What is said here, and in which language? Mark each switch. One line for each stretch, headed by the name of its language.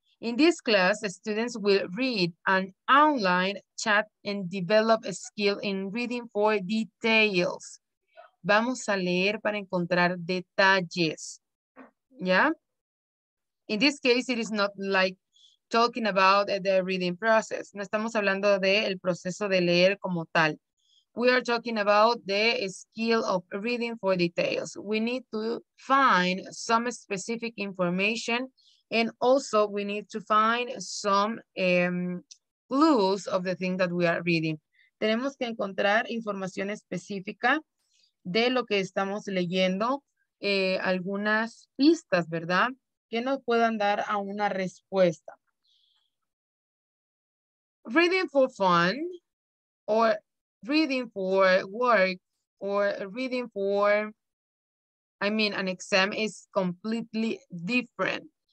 English: In this class, students will read an online chat and develop a skill in reading for details.
Spanish: Vamos a leer para encontrar detalles. Yeah?
English: In this case, it is not like talking about the reading process.
Spanish: No estamos hablando del proceso de leer como tal.
English: We are talking about the skill of reading for details. We need to find some specific information. And also, we need to find some clues of the thing that we are reading.
Spanish: Tenemos que encontrar información específica de lo que estamos leyendo, algunas pistas, ¿verdad?, que nos puedan dar a una respuesta.
English: Reading for fun, or reading for work, or reading for, I mean, an exam is completely different.